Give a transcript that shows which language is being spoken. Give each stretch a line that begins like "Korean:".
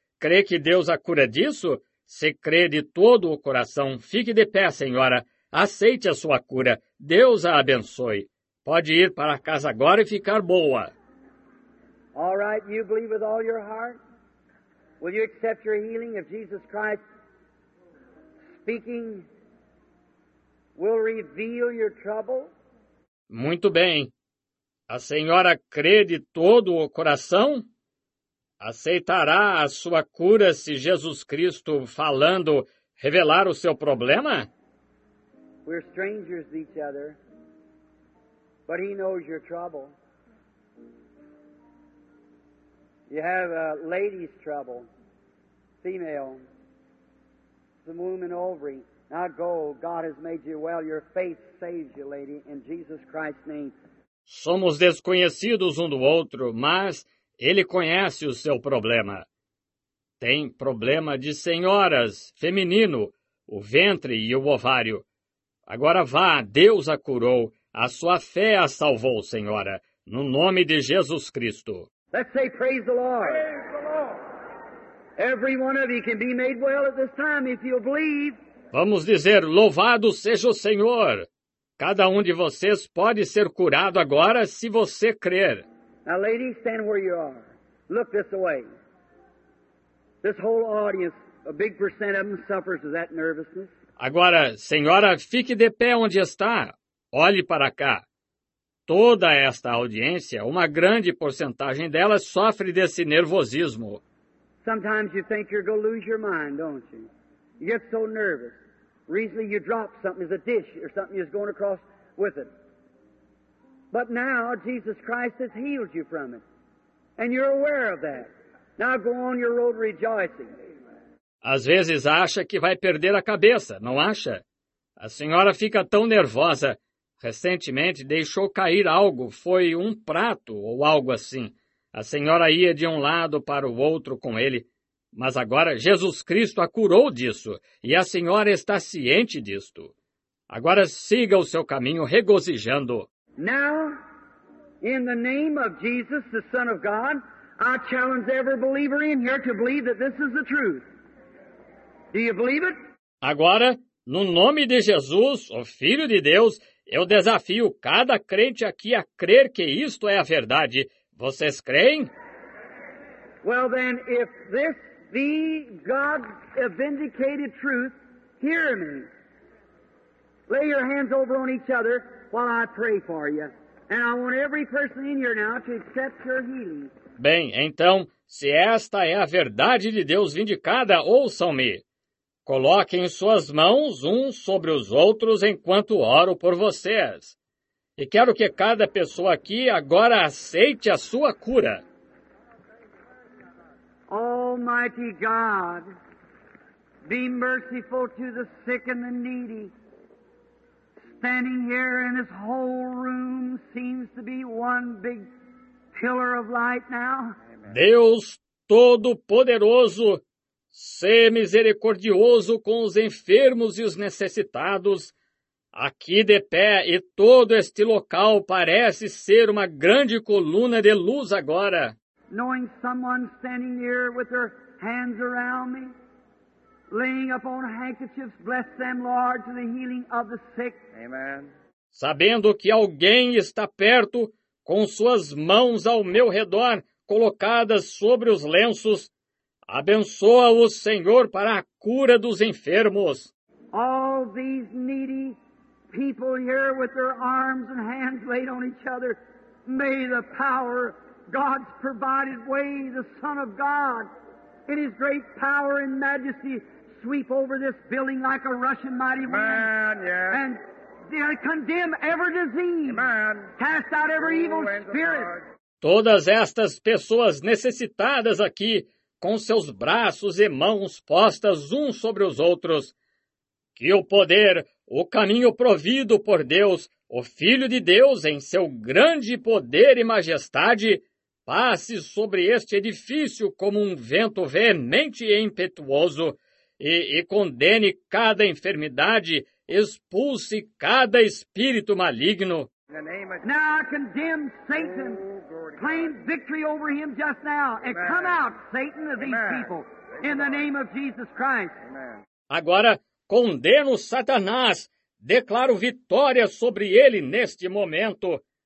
Portuguese: Crê que Deus a cura disso? Se crê de todo o coração, fique de pé, senhora. Aceite a sua cura. Deus a abençoe. Pode ir para casa agora e ficar boa.
English: All right, you believe with all your heart? Will you accept your healing if Jesus Christ speaking will reveal your trouble?
Portuguese: Muito bem. A senhora crê de todo o coração? Aceitará a sua cura se Jesus Cristo falando revelar o seu problema?
English: We're strangers to each other. But he knows your trouble. You have a lady's trouble, female, some womb and ovary. Now go, God has made you well. Your faith saves you, lady, in Jesus Christ's name.
Portuguese: Somos desconhecidos um do outro, mas ele conhece o seu problema. Tem problema de senhoras, feminino, o ventre e o ovário. Agora vá, Deus a curou. A sua fé a salvou, senhora, no nome de Jesus Cristo.
English: Let's say praise the Lord. Praise the Lord. Every one of you can be made well at this time if you believe.
Portuguese: Vamos dizer, louvado seja o Senhor. Cada um de vocês pode ser curado agora se você crer.
English: Now, ladies, stand where you are. Look this way. This whole audience, a big percent of them suffers of that nervousness.
Portuguese: Agora, senhora, fique de pé onde está. Olhe para cá. Toda esta audiência, uma grande porcentagem delas sofre desse nervosismo.
English: Sometimes you think you're going to lose your mind, don't you? You get so nervous. Recently you drop something as a dish or something is going across with it. But now Jesus Christ has healed you from it. And you're aware of that. Now go on your road rejoicing.
Portuguese: Às vezes acha que vai perder a cabeça, não acha? A senhora fica tão nervosa. Recentemente deixou cair algo, foi um prato ou algo assim. A senhora ia de um lado para o outro com ele, mas agora Jesus Cristo a curou disso e a senhora está ciente disto. Agora siga o seu caminho regozijando.
English: Now, in the name of Jesus, the Son of God, I challenge every believer in here to believe that this is the truth. Do you believe it?
Portuguese: Agora, no nome de Jesus, o Filho de Deus, eu desafio cada crente aqui a crer que isto é a verdade. Vocês creem?
English: Well, then, if this be God's vindicated truth, Hear me. Lay your hands over on each other while I pray for you. And I want every person in here now to accept your healing.
Portuguese: Bem, então, se esta é a verdade de Deus vindicada, ouçam-me. Coloquem suas mãos uns sobre os outros enquanto oro por vocês. E quero que cada pessoa aqui agora aceite a sua cura.
English: Almighty God, be merciful to the sick and the needy. Standing here in this whole room seems to be one big pillar of light now.
Portuguese: Deus Todo-Poderoso, se misericordioso com os enfermos e os necessitados, aqui de pé e todo este local parece ser uma grande coluna de luz agora.
English: Knowing someone standing here with their hands around me, laying upon handkerchiefs, bless them, Lord, to the healing of the sick. Amen.
Portuguese: Sabendo que alguém está perto, com suas mãos ao meu redor, colocadas sobre os lenços, abençoa o Senhor para a cura dos enfermos.
English: All these needy people here with their arms and hands laid on each other, may the power, God's provided way, the Son of God, in His great power and majesty, sweep over this building like a rushing mighty wind. Yes. And condemn every disease. Amen. Cast out every evil spirit.
Portuguese: Todas estas pessoas necessitadas aqui, com seus braços e mãos postas uns sobre os outros, que o poder, o caminho provido por Deus, o Filho de Deus, em seu grande poder e majestade, passe sobre este edifício como um vento veemente e impetuoso, e condene cada enfermidade, expulse cada espírito maligno.
English: Now I condemn Satan. Claim victory over him just now. And come out, Satan, of these people. In the name of Jesus Christ.
Portuguese: Agora, condeno Satanás. Declaro vitória sobre ele neste momento.